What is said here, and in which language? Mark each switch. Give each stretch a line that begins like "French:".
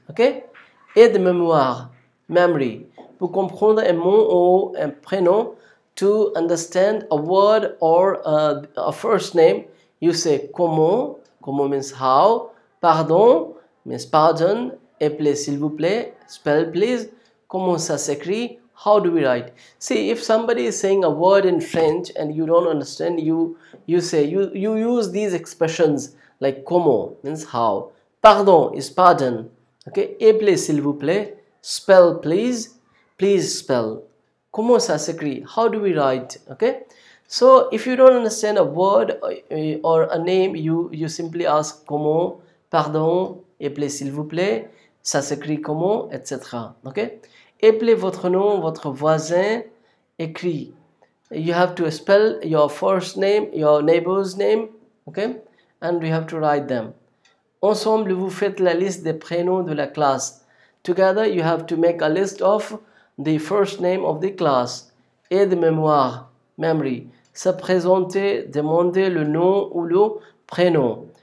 French: Okay? Aide mémoire,
English: memory,
French: pour comprendre un mot ou un prénom,
English: to understand a word or a first name, you say
French: comment, comment
English: means how,
French: pardon,
English: means pardon,
French: appelez s'il vous plaît,
English: spell please,
French: comment ça s'écrit,
English: how do we write. See, if somebody is saying a word in French and you don't understand, you say, you use these expressions like comment means how, pardon is pardon. Okay,
French: appelez s'il vous plaît,
English: spell please, please spell.
French: Comment ça s'écrit?
English: How do we write? Okay, so if you don't understand a word or a name, you simply ask comment, pardon,
French: appelez s'il vous plaît, ça s'écrit comment,
English: etc.
French: Okay, appelez votre nom, votre voisin, écrit.
English: You have to spell your first name, your neighbor's name, okay, and you have to write them.
French: Ensemble, vous faites la liste des prénoms de la classe.
English: Together, you have to make a list of the first name of the class.
French: Aide mémoire, memory. Se présenter, demander le nom ou le prénom.